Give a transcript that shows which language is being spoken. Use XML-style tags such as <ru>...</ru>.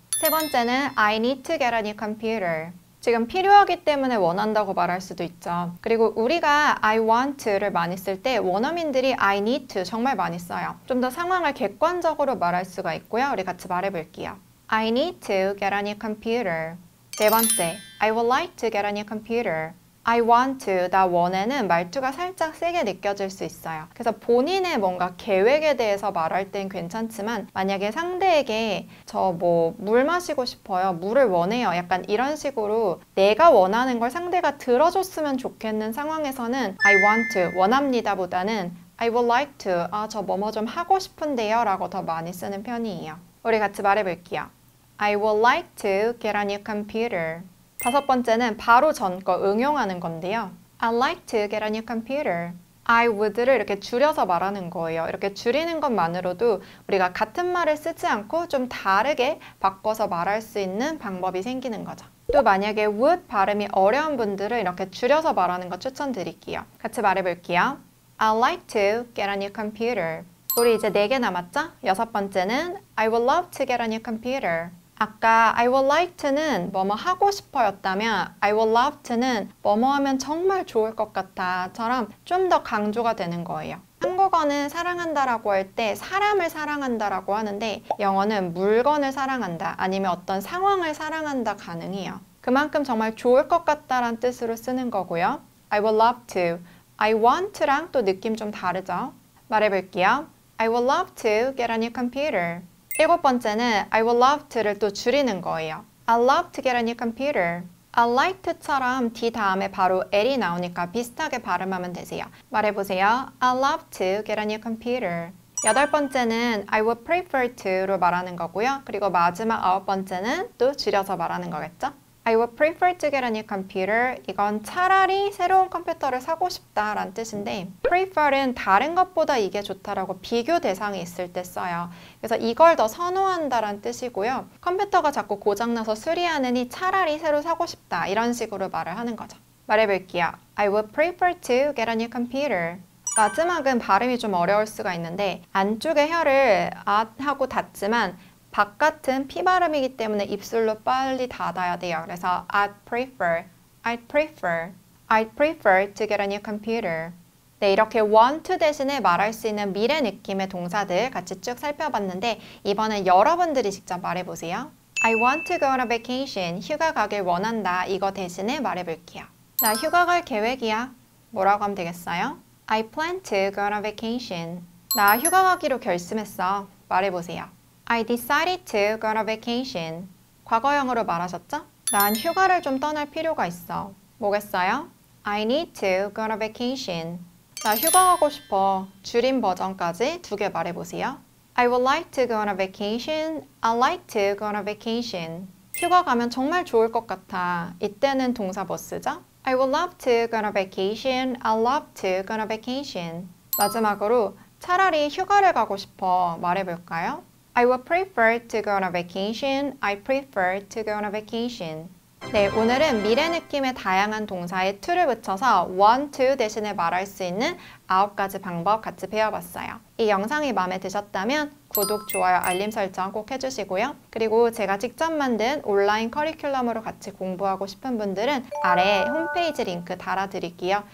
<ko>세 번째는</ko> <en>I need to get a new computer.</en> <ko>지금 필요하기 때문에 원한다고 말할 수도 있죠. 그리고 우리가</ko> <en>I want to</en> <ko>를 많이 쓸때 원어민들이</ko> <en>I need to</en> <ko>정말 많이 써요. 좀더 상황을 객관적으로 말할 수가 있고요. 우리 같이 말해 볼게요.</ko> <en>I need to get a new computer.</en> <ko>네 번째,</ko> <en>I would like to get a new computer. I want to,</en> <ko>나 원에는 말투가 살짝 세게 느껴질 수 있어요. 그래서 본인의 뭔가 계획에 대해서 말할 땐 괜찮지만, 만약에 상대에게 저뭐물 마시고 싶어요, 물을 원해요, 약간 이런 식으로 내가 원하는 걸 상대가 들어줬으면 좋겠는 상황에서는</ko> <en>I want to,</en> <ko>원합니다 보다는</ko> <en>I would like to,</en> <ko>아, 저 뭐뭐 좀 하고 싶은데요 라고 더 많이 쓰는 편이에요. 우리 같이 말해 볼게요.</ko> <en>I would like to get a new computer.</en> <ko>다섯 번째는 바로 전거 응용하는 건데요.</ko> <en>I'd like to get a new computer. I would를</en> <ko>이렇게 줄여서 말하는 거예요. 이렇게 줄이는 것만으로도 우리가 같은 말을 쓰지 않고 좀 다르게 바꿔서 말할 수 있는 방법이 생기는 거죠. 또 만약에 would 발음이 어려운 분들은 이렇게 줄여서 말하는 거 추천드릴게요. 같이 말해 볼게요.</ko> <en>I'd like to get a new computer.</en> <ko>우리 이제 네개 남았죠? 여섯 번째는</ko> <en>I would love to get a new computer.</en> <ko>아까</ko> <en>I would like to</en> <ko>는 뭐뭐 하고 싶어였다면</ko> <en>I would love to</en> <ko>는 뭐뭐 하면 정말 좋을 것 같다처럼 좀더 강조가 되는 거예요. 한국어는 사랑한다라고 할때 사람을 사랑한다라고 하는데, 영어는 물건을 사랑한다 아니면 어떤 상황을 사랑한다 가능해요. 그만큼 정말 좋을 것 같다란 뜻으로 쓰는 거고요.</ko> <en>I would love to, I want랑</en> <ko>또 느낌 좀 다르죠? 말해볼게요.</ko> <en>I would love to get a new computer.</en> <ko>일곱 번째는</ko> <en>I would love to를</en> <ko>또 줄이는 거예요.</ko> <en>I'd love to get a new computer. I'd like to</en> <ko>처럼 D 다음에 바로 L이 나오니까 비슷하게 발음하면 되세요. 말해보세요.</ko> <en>I'd love to get a new computer.</en> <ko>여덟 번째는</ko> <en>I would prefer to로</en> <ko>말하는 거고요. 그리고 마지막 아홉 번째는 또 줄여서 말하는 거겠죠?</ko> <en>I would prefer to get a new computer.</en> <ko>이건 차라리 새로운 컴퓨터를 사고 싶다라는 뜻인데, prefer은 다른 것보다 이게 좋다라고 비교 대상이 있을 때 써요. 그래서 이걸 더 선호한다라는 뜻이고요. 컴퓨터가 자꾸 고장나서 수리하느니 차라리 새로 사고 싶다. 이런 식으로 말을 하는 거죠. 말해볼게요.</ko> <en>I would prefer to get a new computer.</en> <ko>마지막은 발음이 좀 어려울 수가 있는데, 안쪽에 혀를 아 하고 닫지만, 바깥은 피 발음이기 때문에 입술로 빨리 닫아야 돼요. 그래서</ko> <en>I'd prefer to get a new computer.</en> <ko>네, 이렇게 want 대신에 말할 수 있는 미래 느낌의 동사들 같이 쭉 살펴봤는데, 이번엔 여러분들이 직접 말해보세요.</ko> <en>I want to go on a vacation.</en> <ko>휴가 가길 원한다. 이거 대신에 말해볼게요. 나 휴가 갈 계획이야. 뭐라고 하면 되겠어요? I plan to go on a vacation. 나 휴가 가기로 결심했어. 말해보세요.</ko> <en>I decided to go on a vacation.</en> <ko>과거형으로 말하셨죠? 난 휴가를 좀 떠날 필요가 있어. 뭐겠어요?</ko> <en>I need to go on a vacation.</en> <ko>나 휴가 가고 싶어. 줄임 버전까지 두 개 말해보세요.</ko> <en>I would like to go on a vacation. I'd like to go on a vacation.</en> <ko>휴가 가면 정말 좋을 것 같아. 이때는 동사 뭐 쓰죠?</ko> <en>I would love to go on a vacation. I'd love to go on a vacation.</en> <ko>마지막으로 차라리 휴가를 가고 싶어 말해볼까요?</ko> <en>I would prefer to go on a vacation. I prefer to go on a vacation.</en> <ko>네, 오늘은 미래 느낌의 다양한 동사에 to를 붙여서</ko> <en>want to</en> <ko>대신에 말할 수 있는 9가지 방법 같이 배워봤어요. 이 영상이 마음에 드셨다면 구독, 좋아요, 알림 설정 꼭 해주시고요. 그리고 제가 직접 만든 온라인 커리큘럼으로 같이 공부하고 싶은 분들은 아래 홈페이지 링크 달아드릴게요.</ko>